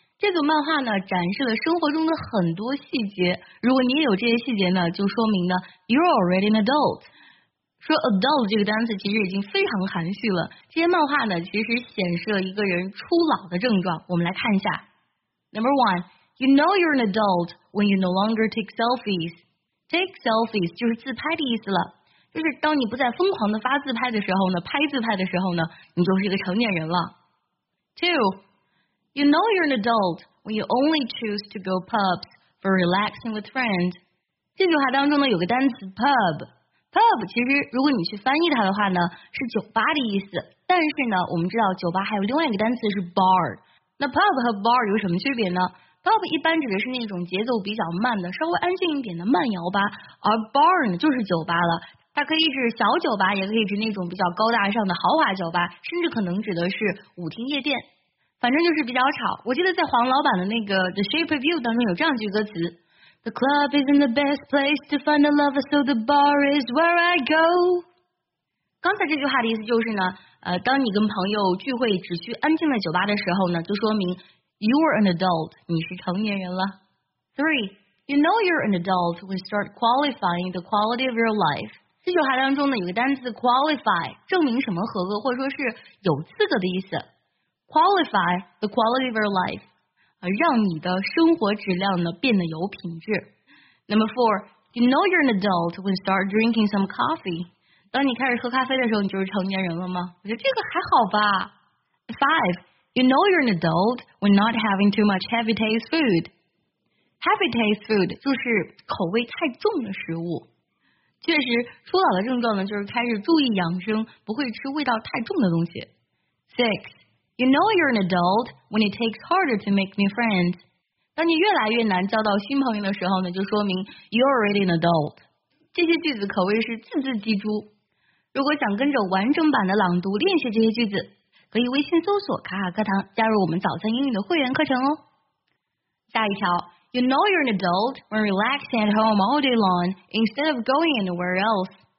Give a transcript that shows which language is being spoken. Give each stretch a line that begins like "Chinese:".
Chinese: 这组漫画呢，展示了生活中的很多细节。如果你也有这些细节呢，就说明呢 ，
English: You're already an adult。
Chinese: 说 adult 这个单词其实已经非常含蓄了。这些漫画呢，其实显示了一个人初老的症状。我们来看一下 ，
English: Number one。 You know you're an adult when you no longer take selfies. Take selfies
Chinese: 就是自拍的意思了，就是当你不再疯狂的发自拍的时候呢，拍自拍的时候呢，你就是一个成年人了。
English: Two, you know you're an adult when you only choose to go pubs for relaxing with friends.
Chinese: 这句话当中呢，有个单词 pub 其实如果你去翻译它的话呢，是酒吧的意思。但是呢，我们知道酒吧还有另外一个单词是 bar。那 pub 和 bar 有什么区别呢？ Pub 一般指的是那种节奏比较慢的、稍微安静一点的慢摇吧，而 bar 呢就是酒吧了，它可以指小酒吧，也可以指那种比较高大上的豪华酒吧，甚至可能指的是舞厅夜店，反正就是比较吵。我记得在黄老板的那个 The Shape of You 当中有这样一句歌词 ：
English: The club isn't the best place to find a lover, so the bar is where I go。
Chinese: 刚才这句话的意思就是呢，当你跟朋友聚会只去安静的酒吧的时候呢，就说明。
English: You're an adult,
Chinese: 你是成年人了。
English: Three, you know you're an adult when you start qualifying the quality of your life.
Chinese: 这句话当中呢，有个单词 qualify, 证明什么合格或者说是有资格的意思。
English: Qualify the quality of your life,
Chinese: 让你的生活质量呢变得有品质。
English: Number four, you know you're an adult when you start drinking some coffee.
Chinese: 当你开始喝咖啡的时候，你就是成年人了吗？我觉得这个还好吧。
English: Five,You know you're an adult when not having too much heavy taste food. Heavy taste food
Chinese: 就是口味太重的食物。确实，初老的症状呢，就是开始注意养生，不会吃味道太重的东西。
English: Six, you know you're an adult when it takes harder to make new friends.
Chinese: 当你越来越难交到新朋友的时候呢，就说明
English: you're already an adult.
Chinese: 这些句子口味是字字记住。如果想跟着完整版的朗读练习这些句子。可以微信搜索卡卡课堂加入我们早餐英语的会员课程哦。下一条
English: You know you're an adult when relaxing at home all day long instead of going anywhere else.